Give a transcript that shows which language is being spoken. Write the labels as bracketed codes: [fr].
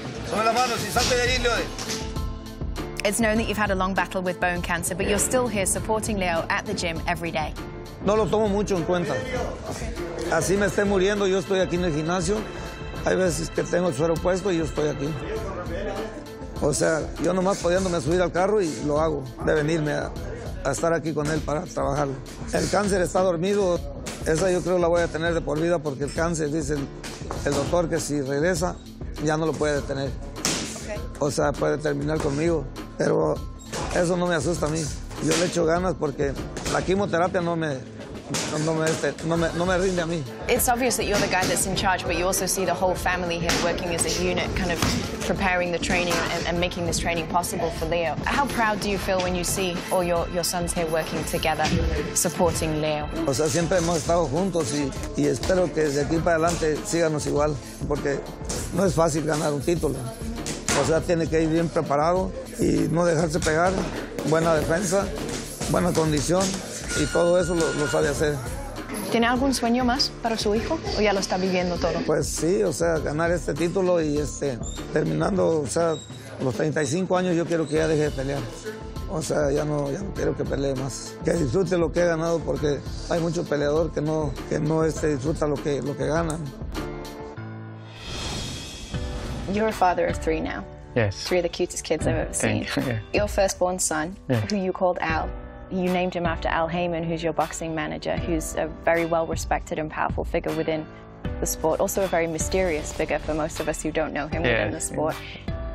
[es] Sube la mano, sí, salte de ahí, Leo. [en] It's known that you've had a long battle with bone cancer, but you're still here supporting Leo at the gym every day. [es] No lo tomo mucho en cuenta. Así me esté muriendo, yo estoy aquí en el gimnasio. Hay veces que tengo el suero puesto y yo estoy aquí. O sea, yo nomás pudiéndome subir al carro y lo hago, de venirme a estar aquí con él para trabajarlo. El cáncer está dormido. Esa yo creo la voy a tener de por vida porque el cáncer, dice el doctor, que si regresa, ya no lo puede detener. O sea, puede terminar conmigo. Pero eso no me asusta a mí. Yo le echo ganas porque la quimioterapia no me rinde a mí. [en] It's obvious that you're the guy that's in charge, but you also see the whole family here working as a unit, kind of preparing the training and making this training possible for Leo. How proud do you feel when you see all your sons here working together, supporting Leo? [es] O sea, siempre hemos estado juntos y espero que de aquí para adelante síganos igual, porque no es fácil ganar un título. O sea, tiene que ir bien preparado y no dejarse pegar, buena defensa, buena condición. Y todo eso lo sabe hacer. ¿Tiene algún sueño más para su hijo o ya lo está viviendo todo? Pues sí, o sea, ganar este título y terminando, o sea, los 35 años yo quiero que ya deje de pelear. O sea, ya no quiero que pelee más. Que disfrute lo que he ganado porque hay mucho peleador que no disfruta lo que gana. [en] You're a father of three now. Yes. Three of the cutest kids I've ever seen. Yeah. Your firstborn son, yeah, who you called Al. You named him after Al Haymon, who's your boxing manager, who's a very well-respected and powerful figure within the sport, also a very mysterious figure for most of us who don't know him within the sport. Yeah.